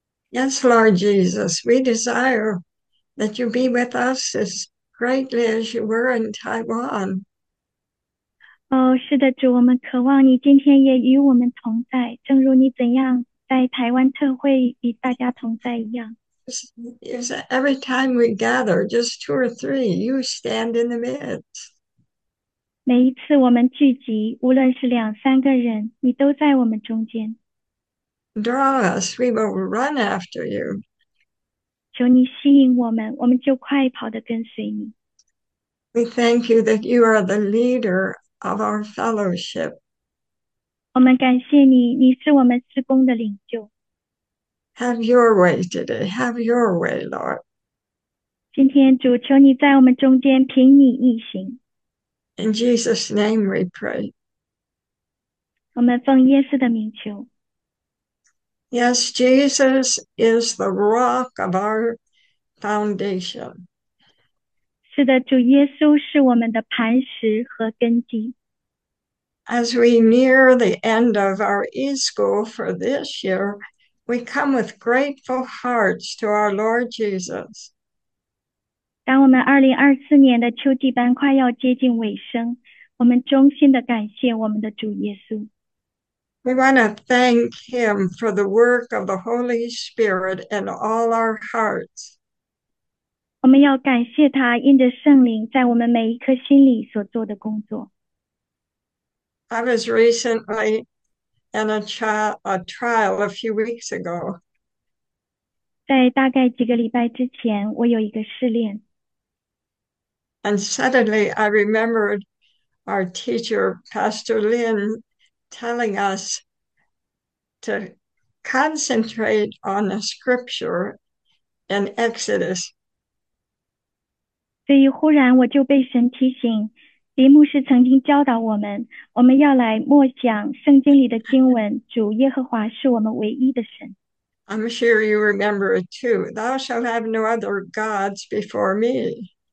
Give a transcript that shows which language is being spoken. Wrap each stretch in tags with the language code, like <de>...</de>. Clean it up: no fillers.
<en>Yes, Lord Jesus, we desire that you be with us as greatly as you were in Taiwan.</en> <zh>哦，是的，主，我们渴望你今天也与我们同在，正如你怎样在台湾特会与大家同在一样。</zh> <en>Is every time we gather, just two or three, you stand in the midst.</en> <zh>每一次我们聚集，无论是两三个人，你都在我们中间。</zh> <en>Draw us, we will run after you.</en> <zh>求你吸引我们，我们就快跑地跟随你。</zh> <en>We thank you that you are the leader of our fellowship.</en> <zh>我们感谢你，你是我们施工的领袖。</zh> <en>Have your way today. Have your way, Lord.</en> <zh>今天主，求你在我们中间凭你运行。</zh> <en>In Jesus' name we pray.</en> <zh>我们奉耶稣的名求。</zh> <en>Yes, Jesus is the rock of our foundation.</en> <zh>是的，主耶稣是我们的磐石和根基。</zh> <en>As we near the end of our e-school for this year, we come with grateful hearts to our Lord Jesus.</en> <zh>当我们2024年的秋季班快要接近尾声，我们衷心的感谢我们的主耶稣。</zh> <en>We want to thank him for the work of the Holy Spirit in all our hearts.</en> <zh>我们要感谢他，因着圣灵在我们每一颗心里所做的工作。</zh> <en>I was recently in a trial a few weeks ago.</en> <zh>在大概几个礼拜之前，我有一个试炼。</zh> <en>And suddenly I remembered our teacher, Pastor Lin, telling us to concentrate on the scripture in Exodus.</en> <zh>所以忽然我就被神提醒，林牧师曾经教导我们，我们要来默想圣经里的经文，主耶和华是我们唯一的神。</zh> <en>I'm sure you remember it too. Thou shalt have no other gods before me.</en>